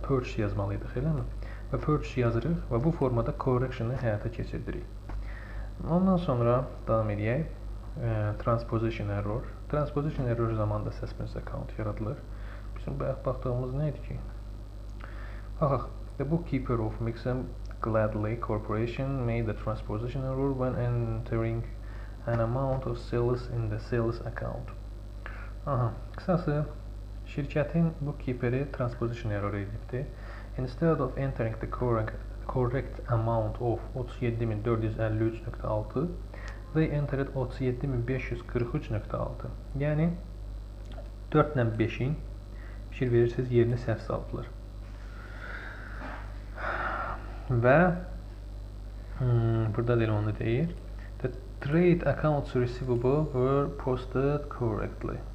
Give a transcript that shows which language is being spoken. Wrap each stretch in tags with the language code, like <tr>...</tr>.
<az>Purchase yazmalıydıq, eləmi? Və purchase yazırıq və bu formada correction-ı həyata keçirdirik. Ondan sonra davam edək. Transposition error. Transposition error zamanında suspense account yaradılır. Bizim bayaq baxdığımız nə idi ki?</az> <en>The bookkeeper of Mixam Gladley Corporation made the transposition error when entering an amount of sales in the sales account.</en> <az>Qısası, şirkətin bookkeeperi transposition error edibdi.</az> <en>Instead of entering the correct amount of 37.453.6, they entered 37.543.6.</en> <az>Yəni 4 ilə 5-in fikir verirsiniz yerini səhv saldılar. Və burada deyil onu deyir.</az> <en>The trade accounts receivable were posted correctly.</en>